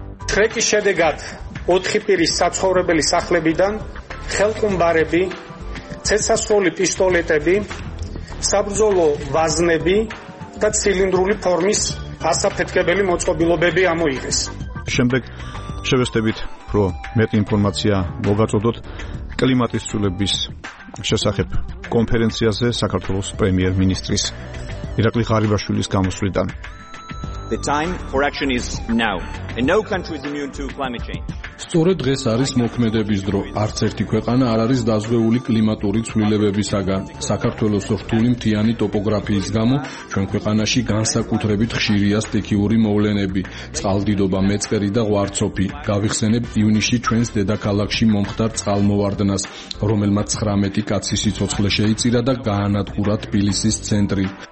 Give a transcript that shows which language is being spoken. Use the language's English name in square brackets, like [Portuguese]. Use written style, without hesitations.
[Georgian] ტრეკის შედეგად 4 პირის საცხოვრებელი სახლებიდან ხელყუმბარები, ცეცასრული პისტოლეტები, საბრძოლო ვაზნები და ცილინდრული ფორმის ასაფეთქებელი მოწყობილობები ამოიღეს. შემდეგ შევესწრებით რო მეტი ინფორმაცია მოგაწოდოთ კლიმატის ცვლილების შესახებ კონფერენციაზე საქართველოს პრემიერ-მინისტრის ირაკლი ღარიბაშვილის გამოსვლიდან. [English] The time for action is now. And no country is immune to climate change. [Georgian] Სწორედ დღეს არის მოქმედების დრო. არც ერთი ქვეყანა არ არის დაზღვეული კლიმატური ცვლილებებისაგან. საქართველოს რთული მთიანი ტოპოგრაფიის გამო ჩვენ ქვეყანაში განსაკუთრებით ხშირია სტიქიური მოვლენები. წყალდიდობა, მეწყერი და ღვარცოფი. გავიხსენებ ივნისში ჩვენს დედაქალაქში მომხდარ წყალმოვარდნას, რომელმა 19 კაცი სიცოცხლე შეიწირა და გაანადგურა თბილისის ცენტრი.